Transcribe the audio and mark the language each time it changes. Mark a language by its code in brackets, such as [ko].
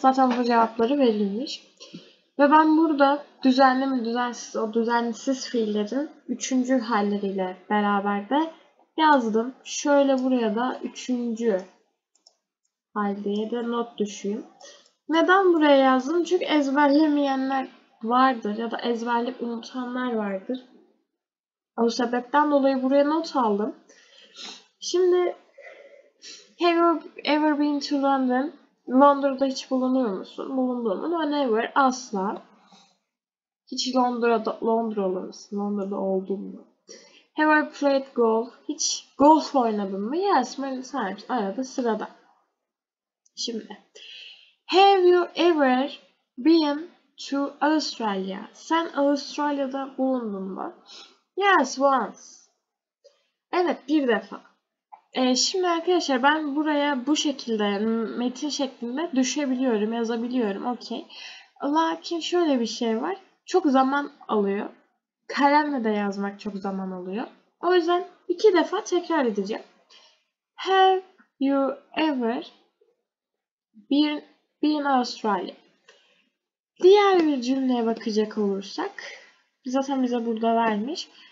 [tr] Zaten bu cevapları verilmiş. Ve ben burada düzenli mi düzensiz, o düzensiz fiillerin üçüncü halleriyle beraber de yazdım. Şöyle buraya da üçüncü hal diye de not düşeyim. Neden buraya yazdım? Çünkü ezberlemeyenler vardır ya da ezberleyip unutanlar vardır. O sebepten dolayı buraya not aldım. [en] Şimdi have you ever been to London? [tr] Londra'da hiç bulunur musun? Bulundun mu? Never, asla. Hiç Londra'da, Londralı mısın? Londra'da oldun mu? [en] Have you played golf? [tr] Hiç golf oynadın mı? Yes, sadece arada sırada. [en] Şimdi have you ever been to Australia? [tr] Sen Avustralya'da bulundun mu? [en] Yes, once. [tr] Evet, bir defa. Şimdi arkadaşlar ben buraya bu şekilde metin şeklinde düşebiliyorum, yazabiliyorum. Okey. Lakin şöyle bir şey var. Çok zaman alıyor. Kalemle de yazmak çok zaman alıyor. O yüzden iki defa tekrar edeceğim. [en] Have you ever been Australia? [tr] Diğer bir cümleye bakacak olursak, zaten bize burada vermiş.